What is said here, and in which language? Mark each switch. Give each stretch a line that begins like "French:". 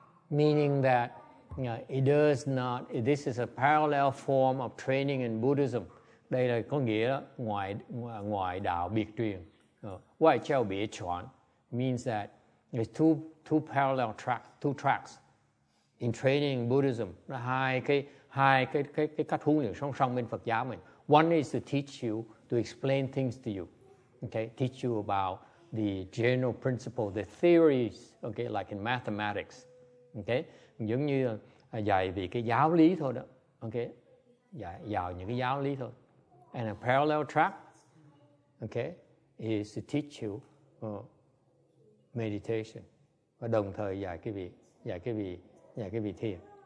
English: Meaning that, this is a parallel form of training in Buddhism.
Vietnamese: Đây là có nghĩa đó, ngoại đạo biệt truyền.
English: Ngoại giao biệt chuẩn means that there's two parallel tracks, two tracks in training in Buddhism.
Vietnamese: Hai cái cách huấn luyện song song bên Phật giáo mình.
English: One is to teach you to explain things to you.
Vietnamese: Okay,
English: teach you about the general principle, the theories, okay, like in mathematics,
Vietnamese: okay, giống như dạy về cái giáo lý thôi đó, okay, dạy vào những cái giáo lý thôi.
English: And a parallel track, okay, is to teach you meditation,
Vietnamese: và đồng thời dạy cái vị thiền.